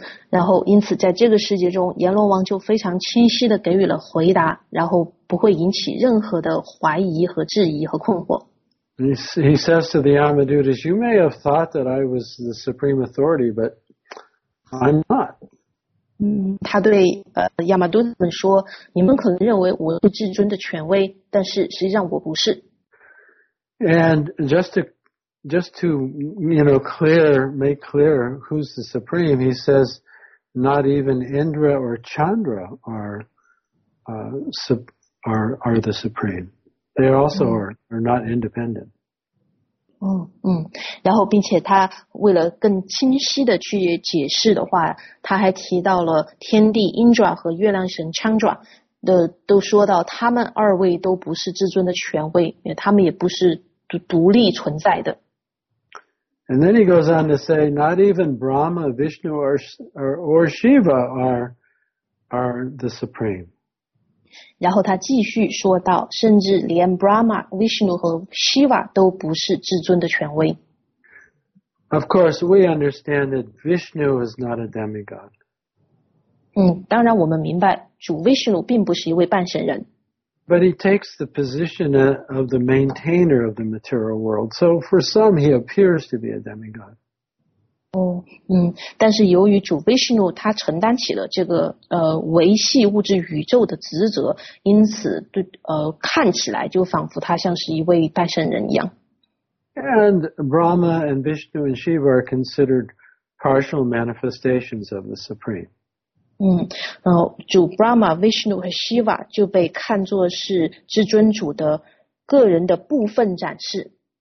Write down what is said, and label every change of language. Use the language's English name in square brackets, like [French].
[Chinese] 然后因此在这个世界中，阎罗王就非常清晰地给予了回答，然后不会引起任何的怀疑和质疑和困惑。 [English] He says to the Yamadutas, you may have thought that I was the supreme authority, but I'm not. [Chinese] 他对亚马杜他们说，你们可能认为我是至尊的权威，但是实际上我不是。 [English] And just to make clear who's the supreme, he says not even Indra or Chandra are the supreme. They also are not independent. [Chinese] 然后并且他为了更清晰的去解释的话，他还提到了天帝 Indra 和月亮神 Chandra 的，都说到他们二位都不是至尊的权威，他们也不是独立存在的。 [English] And then he goes on to say, not even Brahma, Vishnu, or Shiva are the supreme. [Chinese] 然后他继续说到，甚至连 Brahma, Vishnu 和 Shiva 都不是至尊的权威。 [English] Of course, we understand that Vishnu is not a demigod. [Chinese] 当然我们明白主 Vishnu 并不是一位半神人。 [English] But he takes the position of the maintainer of the material world. So for some, he appears to be a demigod. [Chinese] 但是由于主 Vishnu 他承担起了这个维系物质宇宙的职责，因此对看起来就仿佛他像是一位半神人一样。 [English] And Brahma and Vishnu and Shiva are considered partial manifestations of the supreme. [Chinese] 主 Brahma, Vishnu 和 Shiva 就被看作是至尊主的个人的部分展示。